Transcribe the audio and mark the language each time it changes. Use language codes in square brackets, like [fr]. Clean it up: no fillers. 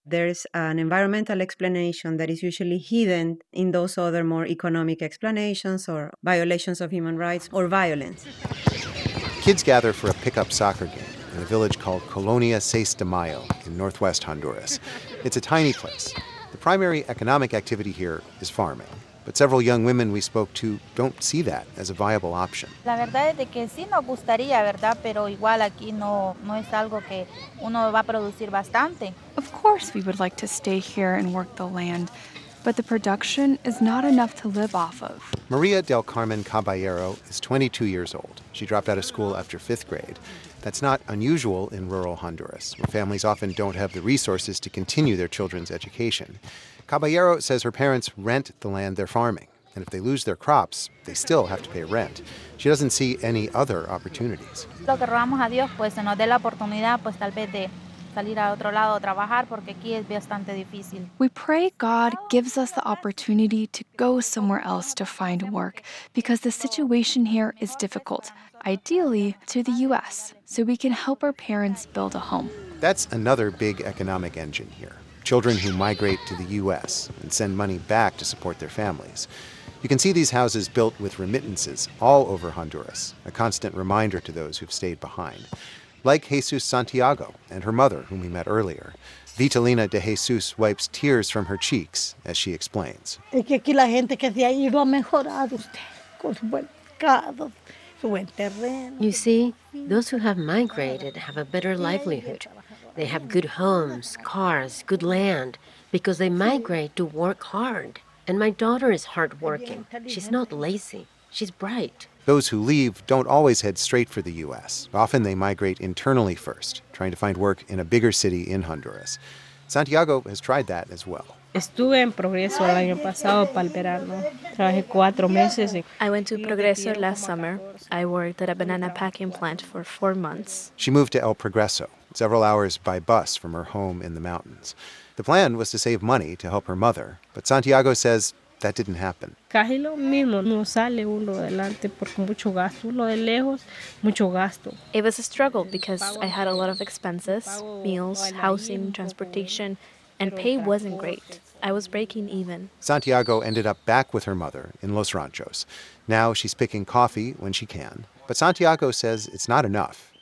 [en] There's an environmental explanation that is usually hidden in those other more economic explanations or violations of human rights or violence. Kids gather for a pickup soccer game in a village called Colonia Seis de Mayo in northwest Honduras. It's a tiny place. The primary economic activity here is farming. But several young women we spoke to don't see that as a viable option. [es] La verdad es de que sí nos gustaría, ¿verdad? Pero igual aquí no es algo que uno va a producir bastante. [en] Of course we would like to stay here and work the land, but the production is not enough to live off of. Maria del Carmen Caballero is 22 years old. She dropped out of school after fifth grade. That's not unusual in rural Honduras, where families often don't have the resources to continue their children's education. Caballero says her parents rent the land they're farming, and if they lose their crops, they still have to pay rent. She doesn't see any other opportunities. [es] Lo que rogamos a Dios, pues, se nos dé la oportunidad, pues, tal vez de salir a otro lado a trabajar, porque aquí es bastante difícil. [en] We pray God gives us the opportunity to go somewhere else to find work, because the situation here is difficult, ideally to the U.S., so we can help our parents build a home. That's another big economic engine here. Children who migrate to the U.S. and send money back to support their families. You can see these houses built with remittances all over Honduras, a constant reminder to those who've stayed behind. Like Jesus Santiago and her mother, whom we met earlier, Vitalina de Jesus wipes tears from her cheeks as she explains. [es] Es que aquí la gente que se ha ido ha mejorado usted con su buen mercado. [en] You see, those who have migrated have a better livelihood. They have good homes, cars, good land, because they migrate to work hard. And my daughter is hardworking. She's not lazy. She's bright. Those who leave don't always head straight for the U.S. Often they migrate internally first, trying to find work in a bigger city in Honduras. Santiago has tried that as well. [es] Estuve en Progreso el año pasado para el verano. Trabajé 4 meses. [en] I went to Progreso last summer. I worked at a banana packing plant for 4 months. She moved to El Progreso, several hours by bus from her home in the mountains. The plan was to save money to help her mother, but Santiago says that didn't happen. [es] Casi lo mismo, no sale uno adelante porque mucho gasto, uno de lejos, mucho gasto. [en] It was a struggle because I had a lot of expenses, meals, housing, transportation, and pay wasn't great. I was breaking even. Santiago ended up back with her mother in Los Ranchos. Now she's picking coffee when she can. But Santiago says it's not enough.